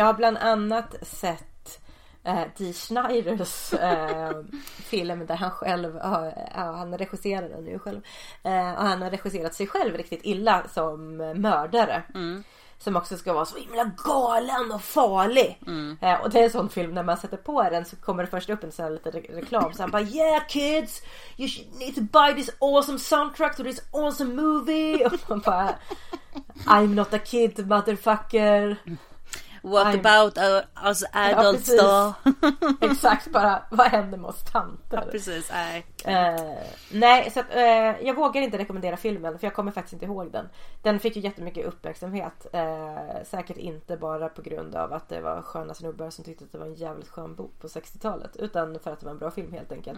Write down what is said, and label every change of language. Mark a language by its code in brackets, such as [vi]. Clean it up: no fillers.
[sv] Jag har bland annat sett Dee Schneiders film där han själv han regisserade den ju själv. Och han har regisserat sig själv riktigt illa som mördare. Mm. Som också ska vara så himla galen och farlig. Mm. Och det är en sån film, när man sätter på den så kommer det först upp en sån här lite reklam. Så han bara, [en] yeah kids, you should need to buy this awesome soundtrack to this awesome movie. [sv] Och man bara, [en] I'm not a kid, motherfucker. What I'm... about us adults ja, though? [sv] Exakt, bara, vad händer med oss tanter? Ja, precis, nej. Nej, så att, jag vågar inte rekommendera filmen, för jag kommer faktiskt inte ihåg den. Den fick ju jättemycket uppmärksamhet, säkert inte bara på grund av att det var sköna snubbar som tyckte att det var en jävligt skön bok på 60-talet, utan för att det var en bra film helt enkelt.